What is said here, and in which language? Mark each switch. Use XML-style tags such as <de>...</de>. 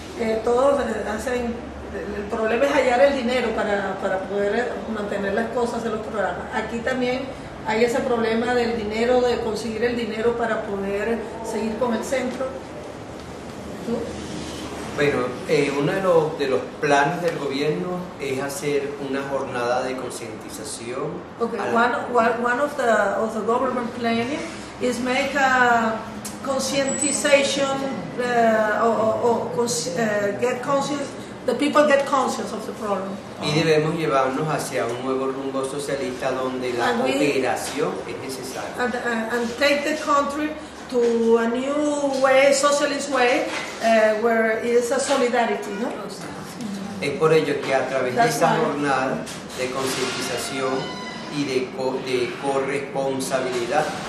<es>el problema es hallar el dinero para poder mantener las cosas de los programas. Aquí también hay ese problema del dinero, de conseguir el dinero para poder seguir con el centro. ¿Tú? Bueno, uno de los planes del gobierno es hacer una jornada de concientización.</es> <en>One of the government planning is make a conscientization get conscious, the people get conscious of the problem.</en> <es>Y debemos llevarnos hacia un nuevo rumbo socialista donde la cooperación es necesaria.</es> <en>And take the country to a new way, socialist way, where it is a solidarity, ¿no?</en> <es>Es por ello que a través de esta jornada de concientización y de corresponsabilidad.</es>